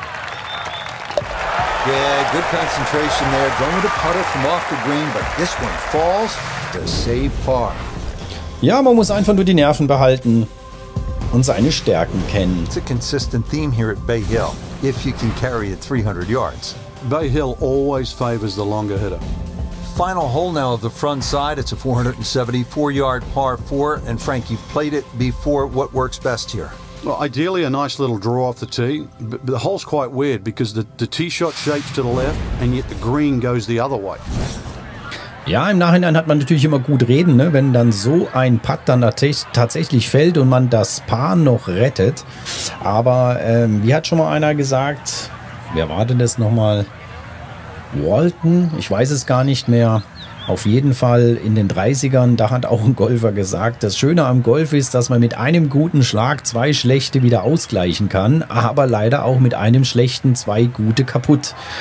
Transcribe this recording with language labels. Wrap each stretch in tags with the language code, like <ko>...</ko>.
<en>Good concentration there. Going with a putter from off the green, but this one falls to save par.</en> <de>Ja, man muss einfach nur die Nerven behalten und seine Stärken kennen.</de> <en>It's a consistent theme here at Bay Hill. If you can carry it 300 yards. Bay Hill always favors the longer hitter. Final hole now of the front side. It's a 474-yard par 4. And Frank, you've played it before. What works best here? Well, ideally a nice little draw off the tee, but the hole's quite weird because the tee shot shapes to the left and yet the green goes the other way.</en> <de>Ja, im Nachhinein hat man natürlich immer gut reden, ne? Wenn dann so ein Putt dann tatsächlich fällt und man das Paar noch rettet. Aber wie hat schon mal einer gesagt, wer war denn das nochmal? Walton? Ich weiß es gar nicht mehr. Auf jeden Fall in den 30ern, da hat auch ein Golfer gesagt, das Schöne am Golf ist, dass man mit einem guten Schlag zwei schlechte wieder ausgleichen kann, aber leider auch mit einem schlechten zwei gute kaputt.</de>